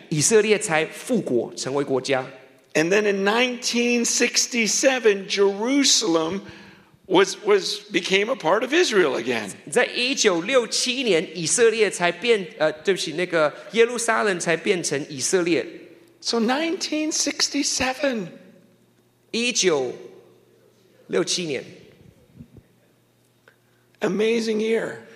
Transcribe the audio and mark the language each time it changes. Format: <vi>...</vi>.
<zh>以色列才复国成为国家。</zh> <en>And then in 1967, Jerusalem became a part of Israel again.</en> <zh>在1967年, 以色列才变, 对不起, 那个耶路撒冷才变成以色列。</zh> <en>So 1967.</en> <zh>1967年。</zh> <en>Amazing year.</en>